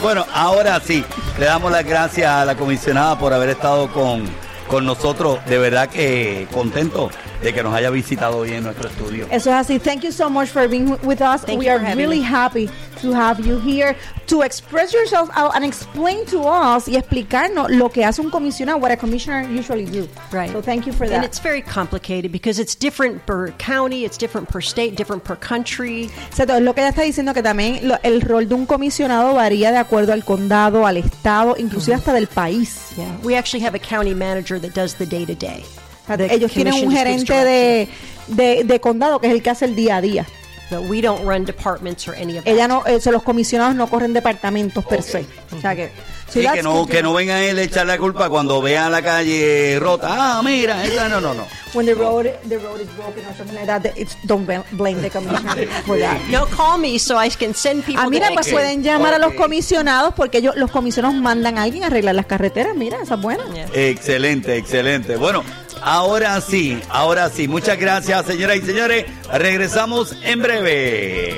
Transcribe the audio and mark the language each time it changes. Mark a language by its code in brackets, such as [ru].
[es] Bueno, ahora sí, le damos las gracias a la comisionada por haber estado con nosotros, de verdad que contento de que nos haya visitado hoy en nuestro estudio. Eso es así. [en] Thank you so much for being with us. Thank we are really me. Happy to have you here to express yourself out and explain to us [es] y explicarnos lo que hace un comisionado, [en] what a commissioner usually do. Right. So thank you for that. And it's very complicated because it's different per county, it's different per state, different per country. [es] Exacto. Lo que ella está diciendo que también el rol de un comisionado varía de acuerdo al condado, al estado, inclusive hasta del país. [en] Yeah. We actually have a county manager that does the day-to-day. [es] Ellos tienen un gerente de condado que es el que hace el día a día. [en] But we don't run departments or any of that. [es] Ella no, los comisionados no corren departamentos per se. Okay. O sea que, sí, que no venga él a echar la culpa cuando vea la calle rota. Ah, mira, esa no. [en] When the road is broken or something like that, it's don't blame the commissioner for that. No, call me so I can send people. [es] Ah, mira, pues pueden llamar a los comisionados porque ellos, los comisionados mandan a alguien a arreglar las carreteras. Mira, esa es buena. Yeah. Excelente. Bueno. Ahora sí. Muchas gracias, señoras y señores. Regresamos en breve.